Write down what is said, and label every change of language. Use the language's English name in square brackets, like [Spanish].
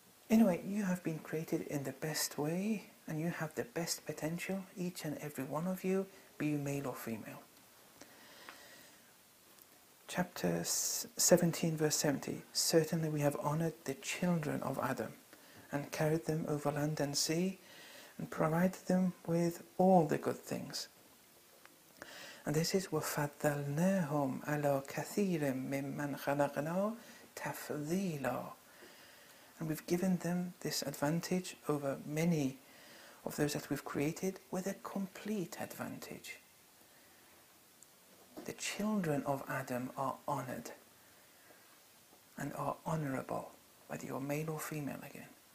[English] Anyway, you have been created in the best way, and you have the best potential, each and every one of you, be you male or female. Chapter 17, verse 70. Certainly we have honored the children of Adam, and carried them over land and sea, and provided them with all the good things. And this is, [Arabic] وَفَضَّلْنَاهُمْ عَلَىٰ كَثِيرٍ مِمَّنْ خَلَقْنَا تَفْضِيلًا. [English] And we've given them this advantage over many of those that we've created with a complete advantage. The children of Adam are honored and are honorable, whether you're male or female again.